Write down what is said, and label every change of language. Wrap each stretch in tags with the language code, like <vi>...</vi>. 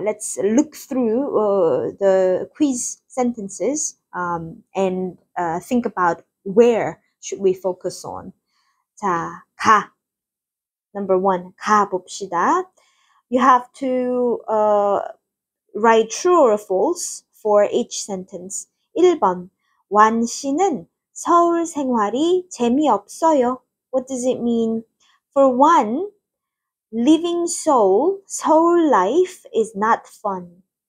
<en>Let's look through the quiz sentences and think about where should we focus on.</en> <ko>자, 가.</ko> <en>Number one,</en> <ko>가 봅시다.</ko> <en>You have to write true or false for each sentence.</en> <ko>1번, 완 씨는 서울 생활이 재미없어요.</ko> <en>What does it mean? For one, living Seoul life is not fun.</en>